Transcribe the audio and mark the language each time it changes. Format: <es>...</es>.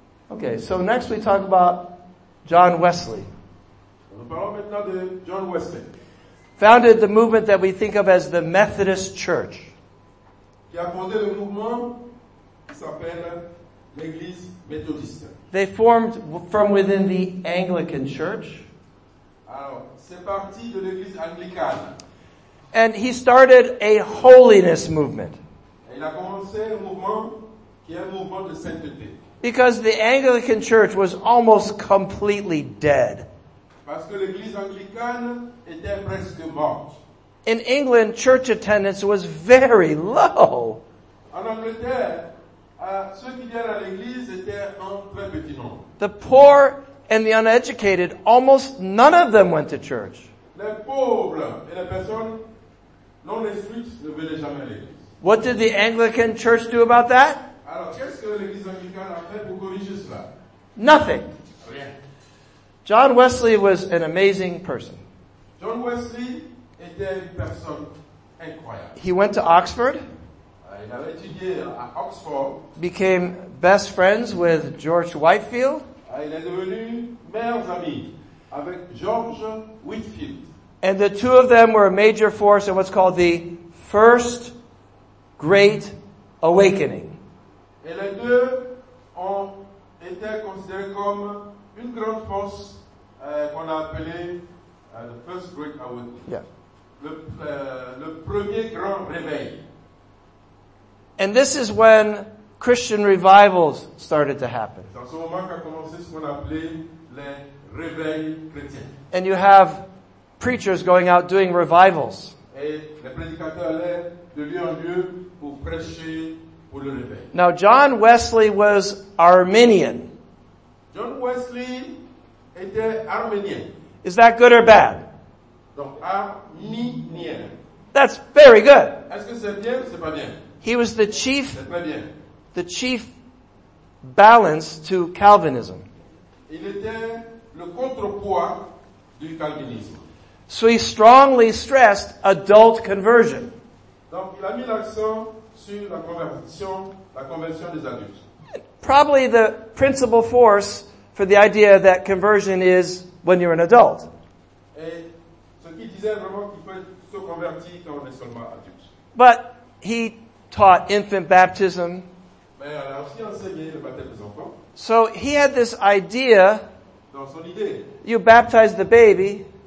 <en>Okay, so next we talk about John Wesley.</en> <fr>John Wesley.</fr> <en>Founded the movement that we think of as the Methodist Church.</en> <fr>Qui a fondé le mouvement qui s'appelle l'Église méthodiste.</fr> <en>They formed from within the Anglican Church.</en> <fr>Alors, c'est parti de l'Église anglicane.</fr> <en>And he started a holiness movement.</en> <fr>Il a commencé un mouvement qui est un mouvement de sainteté.</fr> <en>Because the Anglican Church was almost completely dead.</en> <fr>Parce que l'Église anglicane était presque morte.</fr> <en>In England, church attendance was very low.</en> <fr>En Angleterre, ceux qui venaient à l'Église étaient en très petit nombre.</fr> <en>The poor and the uneducated, almost none of them went to church.</en> <fr>Les pauvres et les personnes non instruites ne venaient jamais à l'église.</fr> <en>What did the Anglican church do about that?</en> <fr>Alors, qu'est-ce que l'église anglicane a fait pour corriger cela?</fr> <en>Nothing.</en> <fr>Rien.</fr> <en>John Wesley was an amazing person.</en> <fr>John Wesley était une personne incroyable.</fr> <en>He went to Oxford.</en> <fr>Il avait étudié à Oxford.</fr> <en>Became best friends with George Whitefield.</en> <fr>Il est devenu meilleurs amis avec George Whitefield.</fr> <en>And the two of them were a major force in what's called the First Great Awakening.</en> <fr>Et les deux ont été considérés comme une grande force qu'on a appelée</fr> <en>the First Great Awakening. Yeah.</en> <fr>Le premier grand réveil.</fr> <en>And this is when Christian revivals started to happen.</en> <fr>Dans ce moment qu'a commencé ce qu'on appelait les réveils chrétiens.</fr> <en>And you have preachers going out doing revivals.</en> <fr>Et les prédicateurs allaient de lieu en lieu pour prêcher pour le réveil.</fr> <en>Now John Wesley was Arminian.</en> <fr>John Wesley était Arminien.</fr> <en>Is that good or bad?</en> <fr>Donc Arminien.</fr> <en>That's very good.</en> <fr>Est-ce que c'est bien? C'est pas bien.</fr> <en>He was the chief.</en> <fr>C'est pas bien.</fr> <en>The chief balance to Calvinism.</en> <fr>Il était le contrepoids du Calvinisme.</fr> <en>So he strongly stressed adult conversion.</en> <fr>Donc, il a mis l'accent sur la conversion des adultes.</fr> <en>Probably the principal force for the idea that conversion is when you're an adult.</en> <fr>Et ce qu'il disait vraiment qu'il faut se convertir quand on est seulement adulte.</fr> <en>But he taught infant baptism.</en> <fr>Mais il a aussi enseigné le baptême des enfants.</fr> <en>So he had this idea.</en> <fr>Dans son idée.</fr> <en>You baptize the baby.</en>